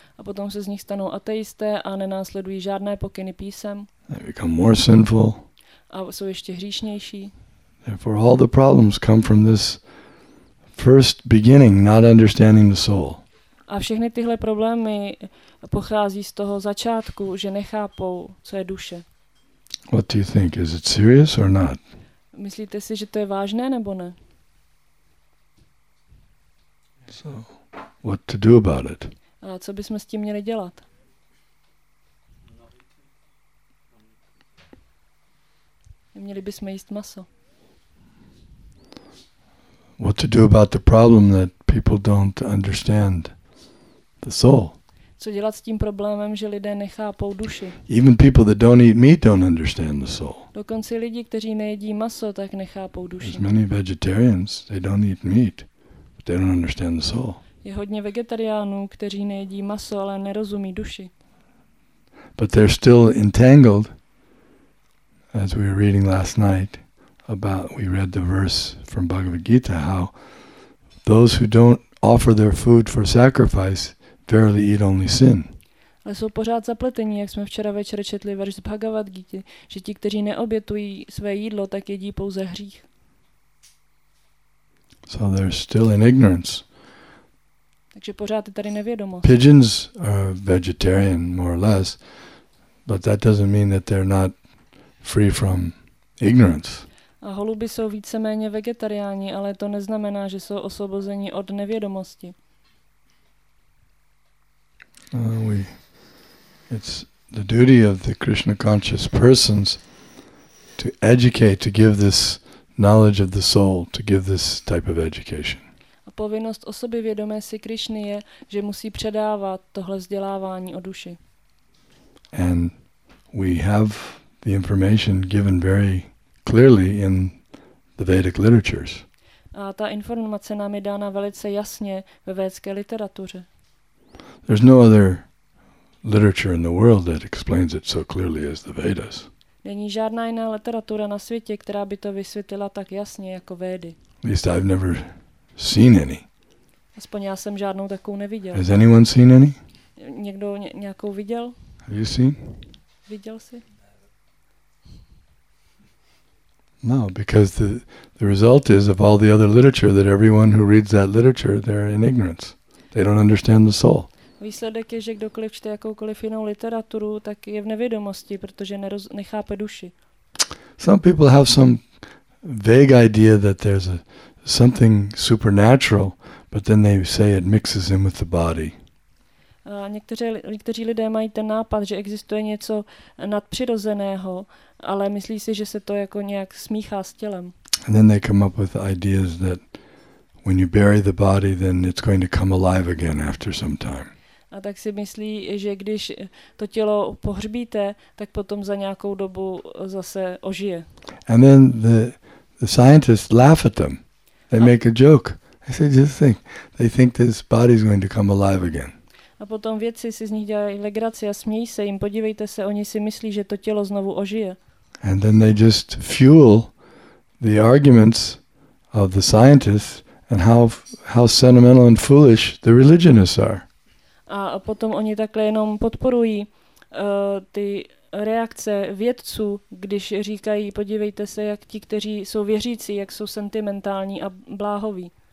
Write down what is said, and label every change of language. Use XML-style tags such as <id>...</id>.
<cs>A potom se z nich stanou ateisté a nenásledují žádné pokyny písem.</cs> <en>They become more sinful.</en> <cs>A jsou ještě hříšnější.</cs> <en>Therefore all the problems come from this first beginning, not understanding the soul.</en> <cs>A všechny tyhle problémy pochází z toho začátku, že nechápou, co je duše.</cs> <en>What do you think? Is it serious or not?</en> <cs>Myslíte si, že to je vážné nebo ne?</cs> <en>So, what to do about it?</en> <cs>A co bychom s tím měli dělat? Měli bychom jíst maso.</cs> <en>What to do about the problem that people don't understand? The soul.</en> <cs>Co dělat s tím problémem, že lidé nechápou duši?</cs> <en>Even people that don't eat meat don't understand the soul.</en> <cs>Dokonce lidi, kteří nejedí maso, tak nechápou duši.</cs> <en>There's many vegetarians, they don't eat meat, but they don't understand the soul.</en> <cs>Je hodně vegetariánů, kteří nejedí maso, ale nerozumí duši.</cs> <en>But they're still entangled, as we were reading last night, about we read the verse from Bhagavad Gita, how those who don't offer their food for sacrifice verily eat only sin.</en> <cs>Ale jsou pořád zapletení, jak jsme včera večer četli verš z Bhagavad Gita, že ti, kteří neobětují své jídlo, tak jedí pouze hřích.</cs> <en>So they're still in ignorance.</en> <cs>Takže pořád je tady nevědomost.</cs> <en>Pigeons are vegetarian more or less, but that doesn't mean that they're not free from ignorance.</en> <cs>A holuby jsou víceméně vegetariáni, ale to neznamená, že jsou osvobozeni od nevědomosti.</cs> <en>It's the duty of the Krishna conscious persons to educate, to give this knowledge of the soul, to give this type of education.</en> <cs>A povinnost osoby vědomé si Krišny je, že musí předávat tohle vzdělávání o duši.</cs> <en>And we have the information given very clearly in the Vedic literatures.</en> <cs>A ta informace nám je dána velice jasně ve védské literatuře.</cs> <en>There's no other literature in the world that explains it so clearly as the Vedas.</en> <cs>Není žádná jiná literatura na světě, která by to vysvětlila tak jasně jako Védy.</cs> <en>At least I've never seen any.</en> <cs>Aspoň já jsem žádnou takovou neviděl.</cs> <en>Has anyone seen any?</en> <cs>Někdo nějakou viděl?</cs> <en>Have you seen?</en> <cs>Viděl jsi?</cs> <en>No, because the result is of all the other literature that everyone who reads that literature, they're in ignorance. They don't understand the soul.</en> <cs>Výsledek je, že kdokoliv čte jakoukoliv jinou literaturu, tak je v nevědomosti, protože nechápe duši.</cs> <en>Some people have some vague idea that there's something supernatural, but then they say it mixes in with the body.</en> <cs>Někteří lidé mají ten nápad, že existuje něco nadpřirozeného, ale myslí si, že se to jako nějak smíchá s tělem.</cs> <en>And then they come up with ideas that when you bury the body, then it's going to come alive again after some time.</en> <cs>A tak si myslí, že když to tělo pohřbíte, tak potom za nějakou dobu zase ožije.</cs> <en>And then the scientists laugh at them. They make a joke. They say, just think. They think this body is going to come alive again.</en> <cs>A potom vědci si z nich dělají legraci a smějí se jim. Podívejte se, oni si myslí, že to tělo znovu ožije.</cs> <en>And then they just fuel the arguments of the scientists and how sentimental and foolish the religionists are.</en> <cs>A potom oni takhle jenom podporují ty reakce vědců, když říkají, podívejte se, jak ti, kteří jsou věřící, jak jsou sentimentální a bláhoví.</cs>